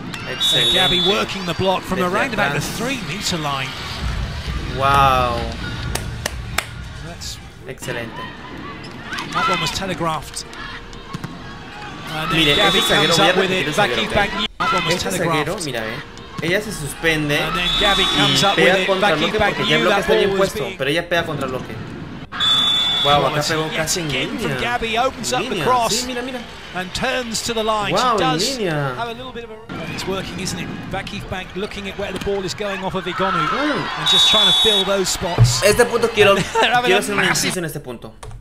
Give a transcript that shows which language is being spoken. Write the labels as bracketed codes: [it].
[en] Excelente. Gavi working the block from around about the 3 meter line. Wow. Excelente. That one was telegraphed. [es] Mire, ese zaguero, voy a repetir el zaguero, okay. Mira, ella se suspende y pega contra el bloque porque ya el bloque está bien puesto, pero ella pega contra el bloque. Wow, acá pegó casi en línea. En línea, sí, mira, mira. [en] And turns to the line. Wow, she does línea. Have a little bit of a. Well, it's working, isn't it? Vakif Bank looking at where the ball is going off of Igonu and just trying to fill those spots. [es] Este punto quiero hacer un inciso en este punto.